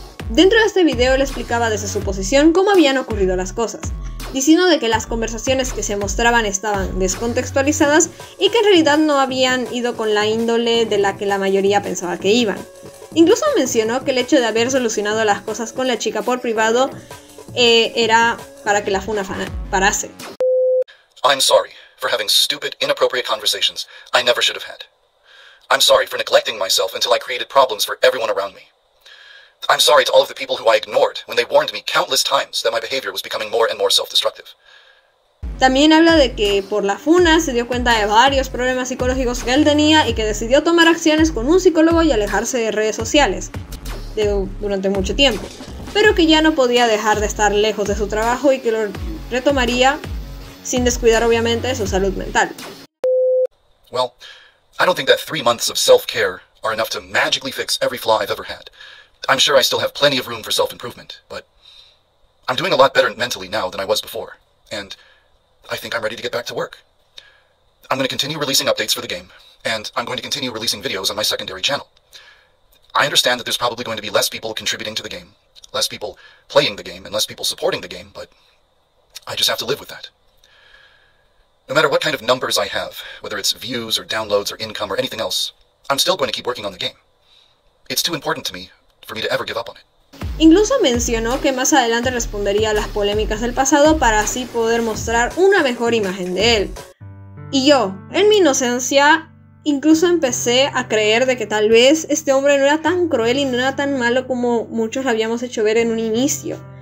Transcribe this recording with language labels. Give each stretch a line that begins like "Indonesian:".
Spanish: Dentro de este video le explicaba desde su posición cómo habían ocurrido las cosas, diciendo de que las conversaciones que se mostraban estaban descontextualizadas y que en realidad no habían ido con la índole de la que la mayoría pensaba que iban. Incluso mencionó que el hecho de haber solucionado las cosas con la chica por privado era para que la funa parase.
English: I'm sorry for having stupid, inappropriate conversations I never should have had. I'm sorry for neglecting myself until I created problems for everyone around me. I'm sorry to all of the people who I ignored when they warned me countless times that my behavior was becoming more and more self-destructive.
Spanish: También habla de que por la funa se dio cuenta de varios problemas psicológicos que él tenía y que decidió tomar acciones con un psicólogo y alejarse de redes sociales durante mucho tiempo, pero que ya no podía dejar de estar lejos de su trabajo y que lo retomaría sin descuidar obviamente su salud mental.
English: Well, I don't think that 3 months of self-care are enough to magically fix every flaw I've ever had. I'm sure I still have plenty of room for self-improvement, but I'm doing a lot better mentally now than I was before, and I think I'm ready to get back to work. I'm going to continue releasing updates for the game, and I'm going to continue releasing videos on my secondary channel. I understand that there's probably going to be less people contributing to the game, less people playing the game, and less people supporting the game, but I just have to live with that. No matter what kind of numbers I have, whether it's views or downloads or income or anything else, I'm still going to keep working on the game. It's too important to me for me to ever give up on it.
Spanish: Incluso mencionó que más adelante respondería a las polémicas del pasado para así poder mostrar una mejor imagen de él. Y yo, en mi inocencia, incluso empecé a creer de que tal vez este hombre no era tan cruel y no era tan malo como muchos lo habíamos hecho ver en un inicio.